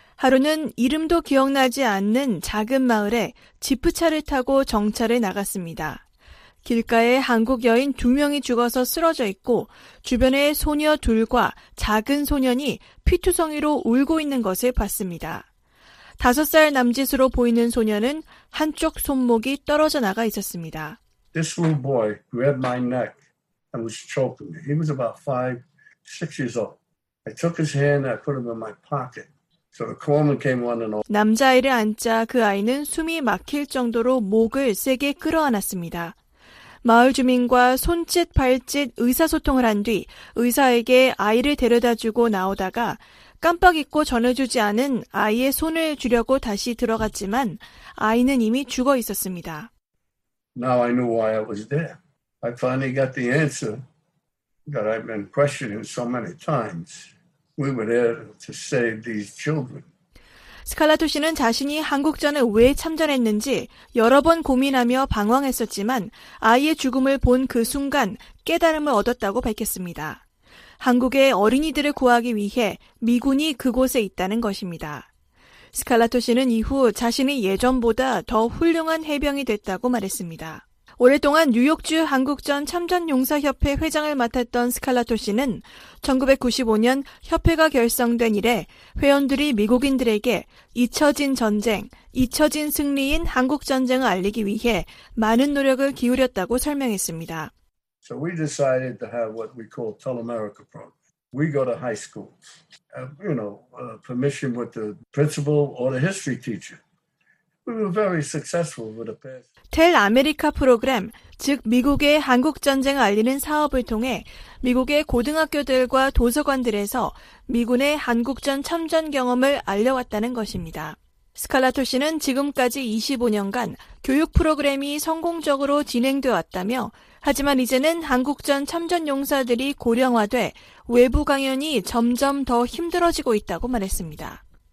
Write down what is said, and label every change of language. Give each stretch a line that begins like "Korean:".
Korean: 하루는 이름도 기억나지 않는 작은 마을에 지프차를 타고 정찰을 나갔습니다. 길가에 한국 여인 두 명이 죽어서 쓰러져 있고 주변에 소녀 둘과 작은 소년이 피투성이로 울고 있는 것을 봤습니다. 5살 남짓으로 보이는 소년은 한쪽 손목이 떨어져 나가 있었습니다.
English: This little boy grabbed my neck and was choking me. He was about 5, 6 years old. I took his hand and I put him in my pocket. So the corpsman came running over.
Korean: 남자아이를 안자 그 아이는 숨이 막힐 정도로 목을 세게 끌어안았습니다. 마을 주민과 손짓, 발짓, 의사소통을 한 뒤 의사에게 아이를 데려다주고 나오다가 깜빡 잊고 전해주지 않은 아이의 손을 주려고 다시 들어갔지만 아이는 이미 죽어 있었습니다.
English: Now I knew why I was there. I finally got the answer that I've been questioning so many times. We were there to save these children.
Korean: 스칼라토 씨는 자신이 한국전에 왜 참전했는지 여러 번 고민하며 방황했었지만 아이의 죽음을 본 그 순간 깨달음을 얻었다고 밝혔습니다. 한국의 어린이들을 구하기 위해 미군이 그곳에 있다는 것입니다. 스칼라토 씨는 이후 자신이 예전보다 더 훌륭한 해병이 됐다고 말했습니다. 오랫동안 뉴욕주 한국전 참전용사협회 회장을 맡았던 스칼라토 씨는 1995년 협회가 결성된 이래 회원들이 미국인들에게 잊혀진 전쟁, 잊혀진 승리인 한국전쟁을 알리기 위해 많은 노력을 기울였다고 설명했습니다.
English: So we decided to have what we call Tell America Program. We go to high schools, you know, permission with the principal or the history teacher. We were very successful with the past.
Korean: Tell America 프로그램, 즉 미국의 한국 전쟁을 알리는 사업을 통해 미국의 고등학교들과 도서관들에서 미군의 한국전 참전 경험을 알려왔다는 것입니다. 스칼라토 씨는 지금까지 25년간 교육 프로그램이 성공적으로 진행되어 왔다며 하지만 이제는 한국전 참전 용사들이 고령화돼 외부 강연이 점점 더 힘들어지고 있다고 말했습니다.